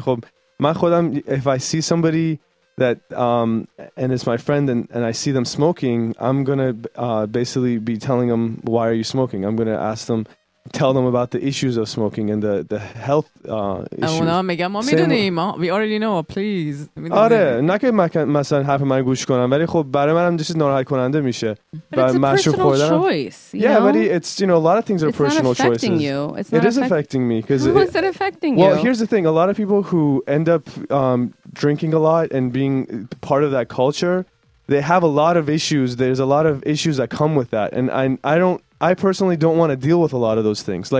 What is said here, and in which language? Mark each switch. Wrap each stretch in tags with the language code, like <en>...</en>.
<en>خب من خودم if I see somebody that and it's my friend and I see them smoking, I'm gonna basically be telling them why are you smoking. I'm gonna ask them tell them about the issues of smoking and the health issues. We already know, please.</en> <fa>آره نه که مثلا حرف من گوش کنم ولی خب برای منم چیز ناراحت کننده میشه.</fa> <en>But it's a personal choice. Yeah, but it's, you know, a lot of things are personal choices. It's not affecting you. It is affecting me. Who is it affecting you? Well, here's the thing. A lot of people who end up drinking a lot and being part of that culture, they have a lot of issues. There's a lot of issues that come with that. And I personally don't want to deal with a lot of those things.</en>